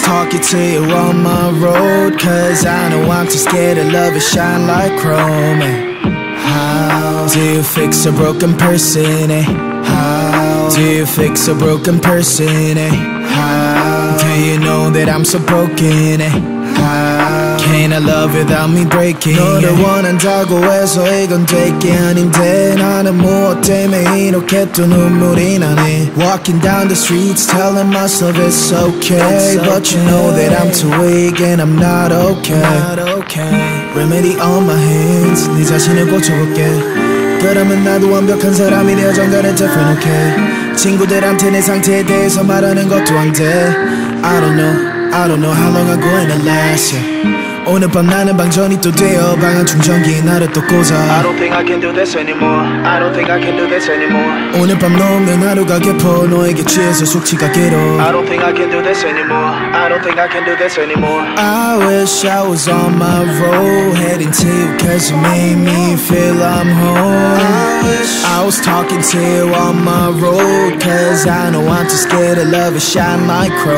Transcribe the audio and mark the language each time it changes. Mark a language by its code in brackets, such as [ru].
[en] talking to you on my road, cause I know I'm too scared of love, it shine like chrome. Do you fix a broken person, eh? How? Do you fix a broken person, eh? How? Do you know that I'm so broken, eh? How? Can I love without me breaking? [ko] 너를 원한다고 해서 이건 되게 아닌데 나는 무엇 때문에 이렇게 또 눈물이 나네. [en] Walking down the streets telling myself it's okay, it's okay. But you know that I'm too weak and I'm not okay, not okay. Remedy on my hands, [ko] 네 자신을 고쳐볼게. 그러면 나도 완벽한 사람이 되어 정가를 [en] different, okay. [ko] 친구들한테 내 상태에 대해서 말하는 것도 안 돼. [en] I don't know how long I'm gonna last, yeah. [ko] 오늘 밤 나는 방전이 또 되어 방안 충전기 나를 또 꽂아. [en] I don't think I can do this anymore, I don't think I can do this anymore. [ko] 오늘 밤 넘는 하루가 깊어 너에게 취해서 숙취가 길어. [en] I don't think I can do this anymore, I don't think I can do this anymore. I wish I was on my road, heading to you cause you made me feel I'm home. I was talking to you on my road, cause I know I'm too scared of love, it shine like chrome.